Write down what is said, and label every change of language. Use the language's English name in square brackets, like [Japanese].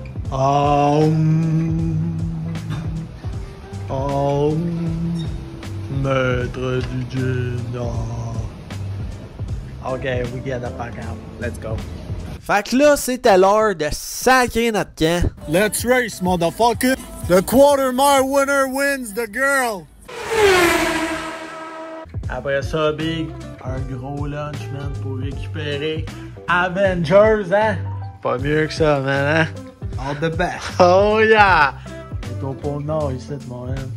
[French] Oh, maître du gym. Oh. [English] Ok, we get the fuck out. Let's go. [French] Fait que là, c'était l'heure de sacrer notre camp. [English] Let's race, motherfucker. The quarter mile winner wins the girl. [French] Après ça, Big, un gros lunch, man, pour récupérer Avengers, hein? Pas mieux que ça, man, hein? [English] All the best. Oh, yeah! [French] C'est ton pont de nord, ici, mon man.